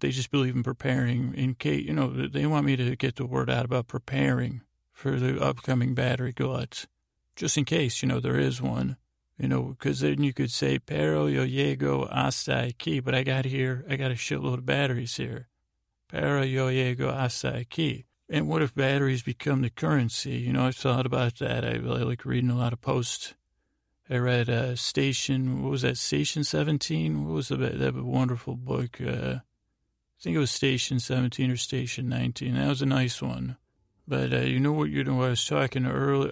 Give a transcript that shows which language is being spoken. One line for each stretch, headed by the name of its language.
English: They just believe in preparing in case, you know, they want me to get the word out about preparing for the upcoming battery glut, just in case, you know, there is one, you know, because then you could say,
Spanish: pero yo llego hasta aquí,
English: but I got a shitload of batteries here.
Spanish: Pero yo llego hasta aquí.
English: And what if batteries become the currency? You know, I've thought about that. I really like reading a lot of posts. I read Station 17? What was that wonderful book? I think it was Station 17 or Station 19. That was a nice one. But you know what I was talking earlier?